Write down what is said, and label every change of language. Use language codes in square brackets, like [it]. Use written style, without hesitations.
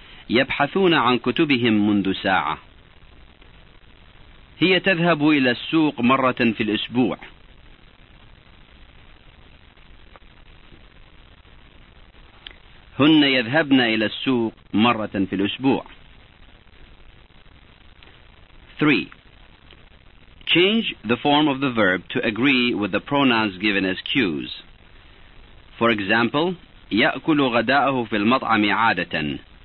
[ar] يبحثون عن كتبهم منذ ساعة. هي تذهب إلى السوق مرة في الأسبوع. هن يذهبن إلى السوق مرة في الأسبوع. 3. [en] Change the form of the verb to agree with the pronouns given as cues. For example, [ar] يأكل غداءه في المطعم عادة.